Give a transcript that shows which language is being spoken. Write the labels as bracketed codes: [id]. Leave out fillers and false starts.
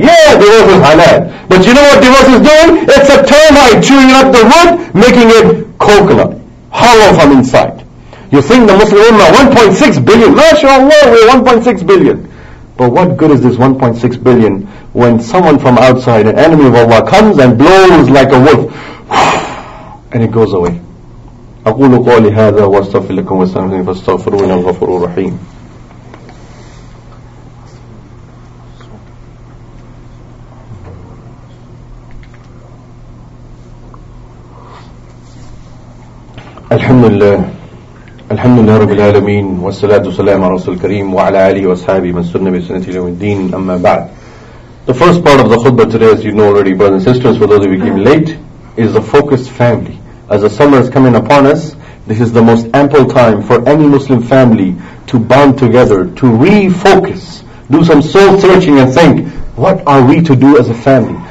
[en] Yeah, divorce is halal. But you know what divorce is doing? It's a termite chewing up the wood, making it coconut, hollow from inside. You think the Muslim Ummah, 1.6 billion. MashaAllah, we're 1.6 billion. But what good is this 1.6 billion when someone from outside, an enemy of Allah, comes and blows like a wolf and it goes away? [ar] أقول قولي هذا وأستغفر لكم وأستغفر لكم فاستغفروا إنه الغفور الرحيم. الحمد لله. الحمد لله رب العالمين والصلاة والسلام على رسول الكريم وعلى آله وصحبه من سنة بسنة يوم الدين. أما بعد, [en] the first part of the khutbah today, as you know already, brothers and sisters, for those of you who came late, is the focused family. As the summer is coming upon us, this is the most ample time for any Muslim family to bond together, to refocus, do some soul searching and think, what are we to do as a family?